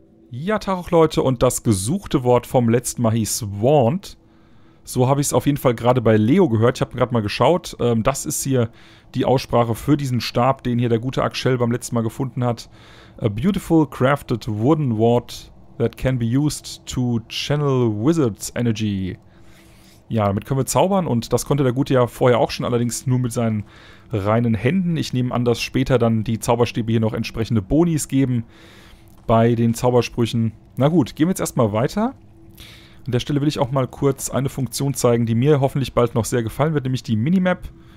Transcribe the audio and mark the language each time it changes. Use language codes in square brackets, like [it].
[de] Ja, Tag auch Leute, und das gesuchte Wort vom letzten Mal hieß Want. So habe ich es auf jeden Fall gerade bei Leo gehört. Ich habe gerade mal geschaut. Das ist hier die Aussprache für diesen Stab, den hier der gute Axel beim letzten Mal gefunden hat. [en] A beautiful crafted wooden ward that can be used to channel wizard's energy. [de] Ja, damit können wir zaubern und das konnte der Gute ja vorher auch schon, allerdings nur mit seinen reinen Händen. Ich nehme an, dass später dann die Zauberstäbe hier noch entsprechende Bonis geben bei den Zaubersprüchen. Na gut, gehen wir jetzt erstmal weiter. An der Stelle will ich auch mal kurz eine Funktion zeigen, die mir hoffentlich bald noch sehr gefallen wird, nämlich die Minimap.